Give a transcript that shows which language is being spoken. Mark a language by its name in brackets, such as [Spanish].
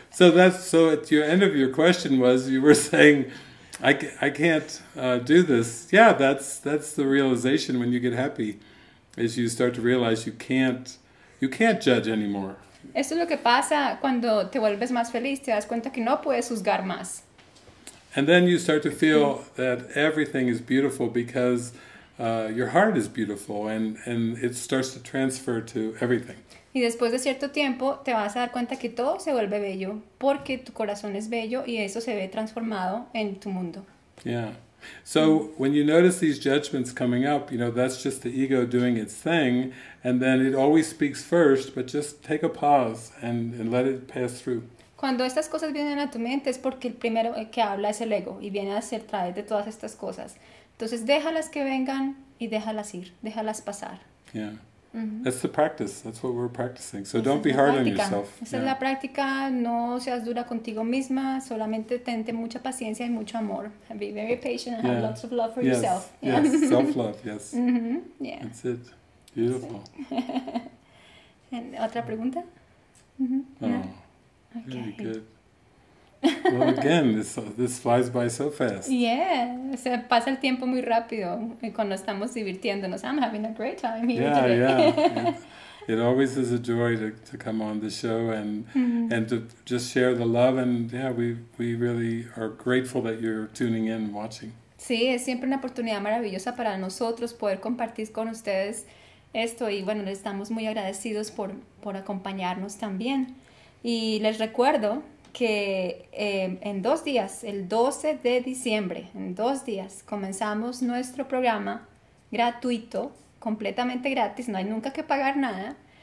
[English] So at your end of your question was, you were saying, I can't do this. Yeah, that's the realization when you get happy, is you start to realize you can't judge anymore. [Spanish] Esto es lo que pasa cuando te vuelves más feliz, te das cuenta que no puedes juzgar más. [English] And then you start to feel that everything is beautiful because your heart is beautiful, and it starts to transfer to everything. [Spanish] Y después de cierto tiempo te vas a dar cuenta que todo se vuelve bello porque tu corazón es bello y eso se ve transformado en tu mundo. [English] Yeah. So when you notice these judgments coming up, you know, that's just the ego doing its thing, and then it always speaks first, but just take a pause and let it pass through. [Spanish] Cuando estas cosas vienen a tu mente es porque el primero que habla es el ego y viene a hacer traer de todas estas cosas. Entonces déjalas que vengan y déjalas ir, déjalas pasar. [English] Yeah. Mm-hmm. That's the practice. That's what we're practicing. So don't be hard on yourself. [Spanish] Esa es la práctica. No seas dura contigo misma. Solamente tente mucha paciencia y mucho amor. [English] Be very patient and have lots of love for yourself. Yes. Yeah. Self-love. Yes. Mm-hmm. Yeah. That's it. Beautiful. That's it. [Spanish] ¿Otra pregunta? [English] Mm-hmm. Oh. Yeah. Okay. Very good. Well, again, this flies by so fast. Yeah. [Spanish] Se pasa el tiempo muy rápido cuando estamos divirtiéndonos. [English] I'm having a great time here yeah, today. Yeah. It always is a joy to come on the show and mm-hmm. and to just share the love. And yeah, we really are grateful that you're tuning in and watching. [Spanish] Sí, es siempre una oportunidad maravillosa para nosotros poder compartir con ustedes esto. Y bueno, les estamos muy agradecidos por acompañarnos también. Y les recuerdo que en dos días, el 12 de diciembre, en dos días, comenzamos nuestro programa gratuito, completamente gratis, no hay nunca que pagar nada.